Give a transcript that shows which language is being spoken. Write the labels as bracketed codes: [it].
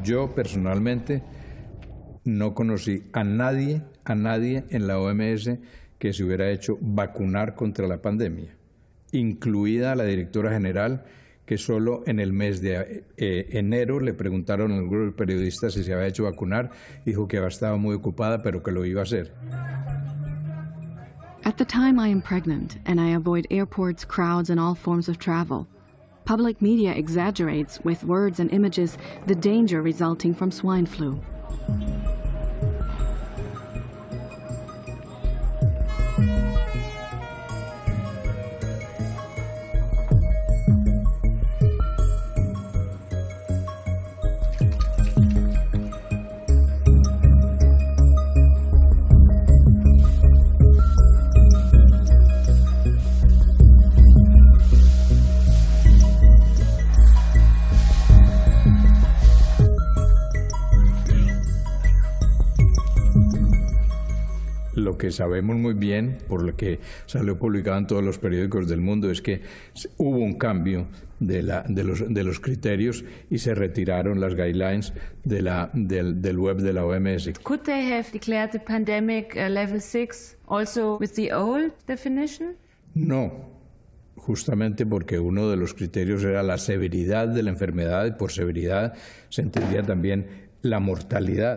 [es] Yo personalmente no conocí a nadie en la OMS que se hubiera hecho vacunar contra la pandemia, incluida la directora general, que solo en el mes de enero le preguntaron al grupo de periodistas si se había hecho vacunar, dijo que estaba muy ocupada, pero que lo iba a hacer. [en] At the time I am pregnant and I avoid airports, crowds and all forms of travel. Public media exaggerates with words and images the danger resulting from swine flu. [es] Que sabemos muy bien, por lo que salió publicado en todos los periódicos del mundo, es que hubo un cambio de los criterios y se retiraron las guidelines del web de la OMS. [en] Could they have declared the pandemic level 6 also with the old definition? [es] No, justamente porque uno de los criterios era la severidad de la enfermedad y por severidad se entendía también la mortalidad.